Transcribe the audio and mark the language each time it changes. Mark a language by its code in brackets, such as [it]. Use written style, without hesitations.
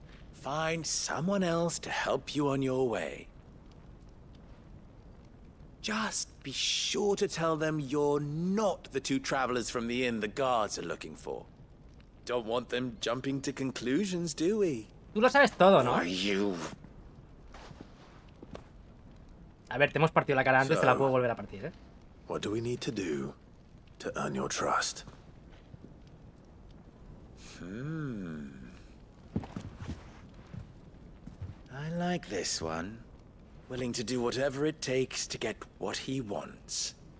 [en] Find someone else to help you on your way. Just be sure to tell them you're not the two travelers from the inn the guards are looking for. Don't want them jumping to conclusions, do we? [es] Tú lo sabes todo, ¿no? [en] Are you? [es] A ver, te hemos partido la cara antes, so, te la puedo volver a partir, ¿eh? [en] What do we need to do to earn your trust? I like this one. Willing to do whatever it takes to get what he wants.